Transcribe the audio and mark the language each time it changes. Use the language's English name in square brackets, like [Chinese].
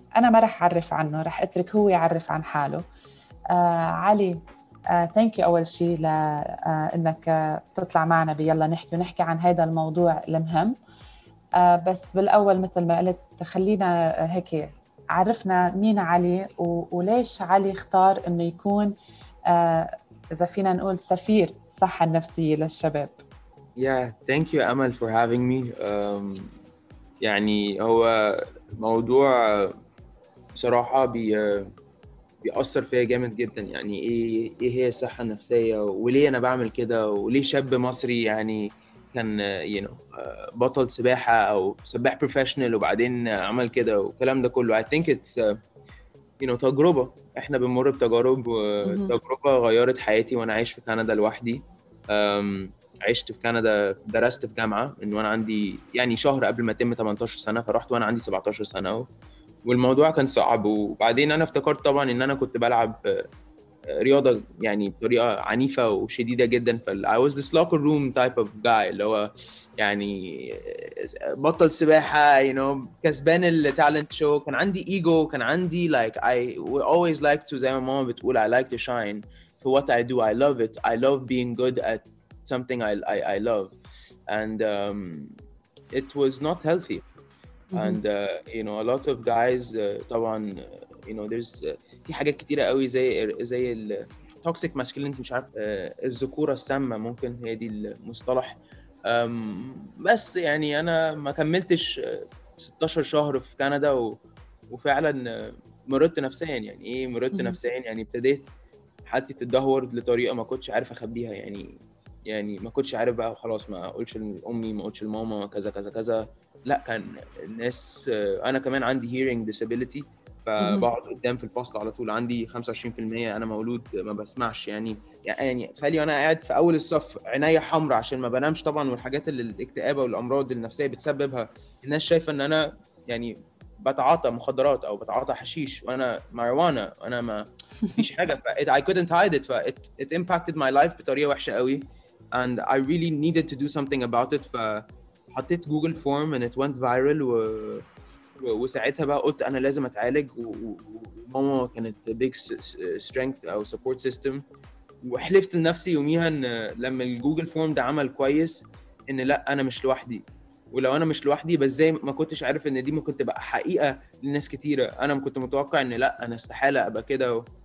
[Arabic] أنا ما رح أعرف عنه، رح أترك هو يعرف عن حاله. علي، [English] thank you [Arabic] أول شيء لأنك تطلع معنا بيلا نحكي ونحكي عن هذا الموضوع المهم. بس بالأول مثل ما قلت، خلينا هيك عرفنا مين علي وليش علي اختار أنه يكون إذا فينا نقول سفير الصحة النفسية للشباب. [English] Yeah, thank you Amal for having me. [Arabic] يعني هو موضوع بصراحة بيأثر فيها جامد جدا، يعني إيه هي الصحة النفسية وليه أنا بعمل كده وليه شاب مصري يعني كان you know بطل سباحة أو سباح professional وبعدين عمل كده وكلام ده كله. [English] I think it's you know [Arabic] تجربة، إحنا بمر بتجارب تجربة غيرت حياتي وأنا عايش في كندا لوحدي. عشت في كندا، درست في جامعة إن وأنا عندي يعني شهر قبل ما تم 18 سنة، فروحت وأنا عندي 17 سنة والموضوع كان صعب. وبعدين أنا افتكرت طبعا إن أنا كنت بلعب رياضة يعني بطريقة عنيفة وشديدة جدا، فال [English] I was this locker room type of guy [Arabic] اللي هو يعني بطل سباحة you know كسبان التالنت شو، كان عندي ايجو، كان عندي [English] like I we always like to [Arabic] زي ما ماما بتقول [English] I like to shine for what I do, I love it, I love being good at something I love, and it was not healthy. And you know a lot of guys [Arabic] طبعا [English] you know there's [Arabic] في حاجات كتيرة قوي زي ال toxic masculinity، مش عارف الذكورة السامة ممكن هي دي المصطلح. بس يعني أنا ما كملتش 16 شهر في كندا وفعلا مرضت نفسيا. يعني إيه مرضت نفسيا؟ يعني ابتديت حالتي تدهور لطريقة ما كنتش عارف أخبيها، يعني ما كنتش عارف بقى خلاص، ما أقولش لأمي، ما أقولش لماما كذا كذا كذا. لا، كان الناس أنا كمان عندي hearing disability، فبقعد قدام في الفصل على طول، عندي 25% انا مولود ما بسمعش، يعني خلي انا قاعد في اول الصف عيني حمرا عشان ما بنامش طبعا، والحاجات اللي الاكتئاب والامراض النفسيه بتسببها الناس شايفه ان انا يعني بتعاطى مخدرات او بتعاطى حشيش وانا ماريجوانا، انا ما فيش حاجه. [English] I couldn't hide it. It impacted my life [Arabic] بطريقه وحشه قوي، [English] and I really needed to do something about it. [Arabic] فحطيت جوجل فورم [English] and it went viral، [Arabic] وساعتها بقى قلت انا لازم اتعالج، وماما كانت [English] big strength [Arabic] او [English] support system، [Arabic] وحلفت لنفسي يوميها ان لما الجوجل فورم ده عمل كويس ان لا انا مش لوحدي، ولو انا مش لوحدي بس زي ما كنتش عارف ان دي ممكن تبقى حقيقه لناس كتيره، انا كنت متوقع ان لا انا استحاله ابقى كده.